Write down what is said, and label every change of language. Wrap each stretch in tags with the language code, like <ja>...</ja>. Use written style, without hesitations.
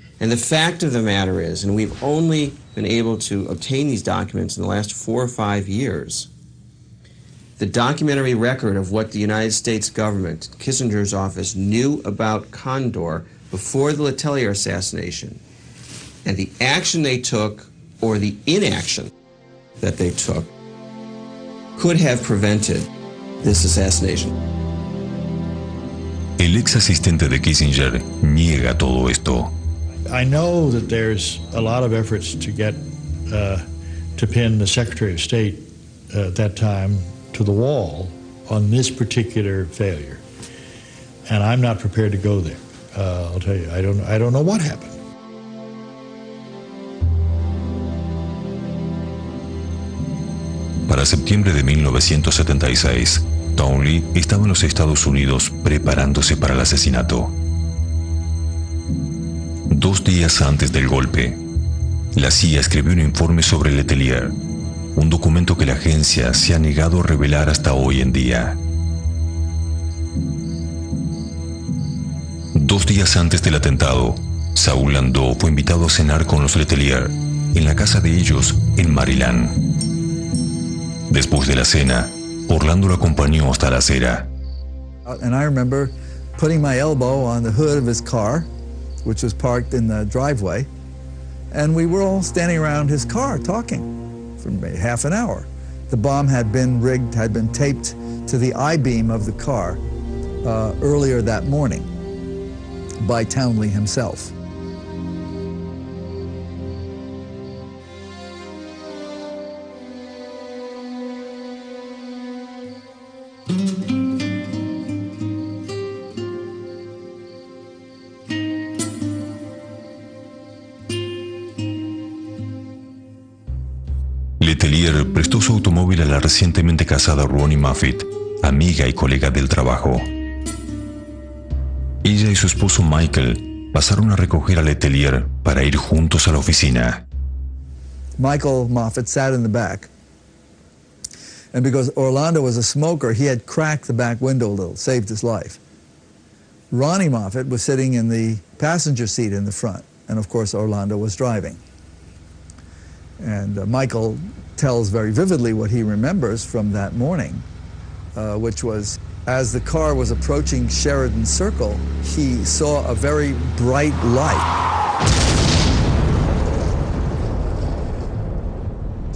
<en>And the fact of the matter is, and we've only been able to obtain these documents in the last 4 or 5 years, the documentary record of what the United States government, Kissinger's office, knew about Condor before the Letelier assassination, and the action they took, or the inaction that they took, could have prevented this assassination.</en> <es>El ex asistente de Kissinger niega todo esto.</es> <en>I know that there's a lot of efforts to get to pin the Secretary of State at that time to the wall on this particular failure, and I'm not prepared to go there. I'll tell you, I don't know what happened.</en> <es>Para septiembre de 1976, Townley estaba en los Estados Unidos preparándose para el asesinato. Dos días antes del golpe, la CIA escribió un informe sobre Letelier, un documento que la agencia se ha negado a revelar hasta hoy en día. Dos días antes del atentado, Saúl Landó fue invitado a cenar con los Letelier en la casa de ellos en Maryland. Después de la cena, Orlando lo acompañó hasta la acera.</es> <en>And I remember putting my elbow on the hood of his car, which was parked in the driveway, and we were all standing around his car talking for maybe half an hour. The bomb had been rigged, had been taped to the I-beam of the car earlier that morning by Townley himself.</en> <es>Letelier prestó su automóvil a la recientemente casada Ronnie Moffitt, amiga y colega del trabajo. Ella y su esposo Michael pasaron a recoger a Letelier para ir juntos a la oficina.</es> <en>Michael Moffitt sat in the back And because Orlando was a smoker, he had cracked the back window a little, saved his life. Ronnie Moffitt was sitting in the passenger seat in the front, and of course Orlando was driving. And Michael tells very vividly what he remembers from that morning, which was, as the car was approaching Sheridan Circle, he saw a very bright light.</en>